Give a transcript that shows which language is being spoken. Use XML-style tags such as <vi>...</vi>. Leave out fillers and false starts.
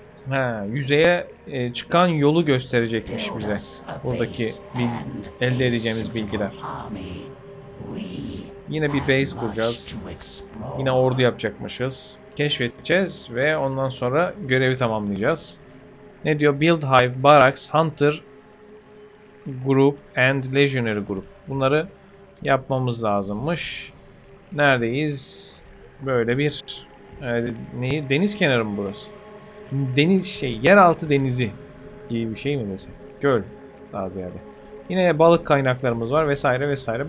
<tr>Ha, yüzeye çıkan yolu gösterecekmiş bize. Buradaki elde edeceğimiz bilgiler. Yine bir base kuracağız. Yine ordu yapacakmışız. Keşfedeceğiz ve ondan sonra görevi tamamlayacağız. Ne diyor?</tr> <en>Build Hive, Barracks, Hunter Group and Legionary Group.</en> <tr>Bunları yapmamız lazımmış. Neredeyiz? Böyle bir deniz kenarı mı burası? Deniz şey, yeraltı denizi gibi bir şey mi desek? Göl daha ziyade. Yine balık kaynaklarımız var vesaire vesaire.</tr>